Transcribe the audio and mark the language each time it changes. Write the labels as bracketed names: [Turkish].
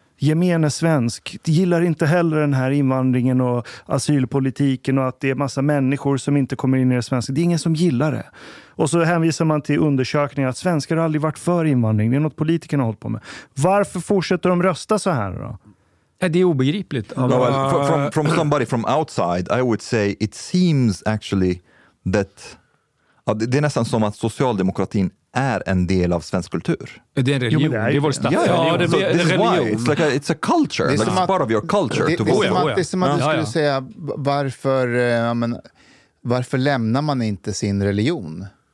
[Swedish] gemene svensk gillar inte heller den här invandringen och asylpolitiken och att det är massa människor som inte kommer in i det svenska. Det är ingen som gillar det. Och så hänvisar man till undersökningar att svenskar har aldrig varit för invandring. Det är något politikerna har hållit på med. Varför fortsätter de rösta så här då? Det är obegripligt. [English] No, well, from somebody from outside, I would say it seems actually that... [Swedish] Det är nästan som att socialdemokratin är en del av svensk kultur. Det är en religion. Jo, det är vår statsreligion. Ja, det är en religion. [English] It's, like a, it's a culture. It's like part of your culture. [Swedish] Det är som att du skulle säga varför, men, varför lämnar man inte sin religion?